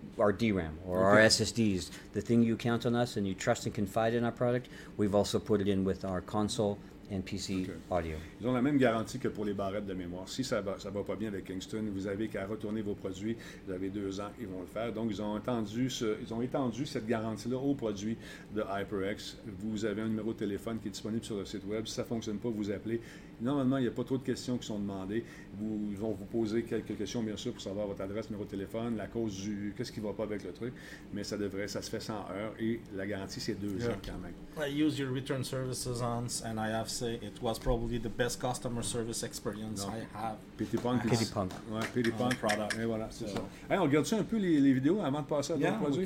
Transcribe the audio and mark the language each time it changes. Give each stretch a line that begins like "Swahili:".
English: our DRAM or our SSDs, the thing you count on us and you trust and confide in our product, we've also put it in with our console and PC audio.
French: Ils ont la même garantie que pour les barrettes de mémoire. Si ça va pas bien avec Kingston, vous avez qu'à retourner vos produits. Vous avez 2 ans, ils vont le faire. Donc, ils ont étendu cette garantie-là aux produits de HyperX. Vous avez un numéro de téléphone qui est disponible sur le site web. Si ça fonctionne pas, vous appelez. Normalement, il n'y a pas trop de questions qui sont demandées. Ils vont vous poser quelques questions, bien sûr, pour savoir votre adresse, numéro de téléphone, la cause du... qu'est-ce qui ne va pas avec le truc. Mais ça se fait 100 heures et la garantie, c'est 2 ans quand même.
English: I use your return services once and I have say it was probably the best customer service experience I have. Pity Punk. Ouais, Pity Punk. Product.
French: Et voilà, c'est ça. Hey, on regarde un peu les vidéos avant de passer à d'autres produits?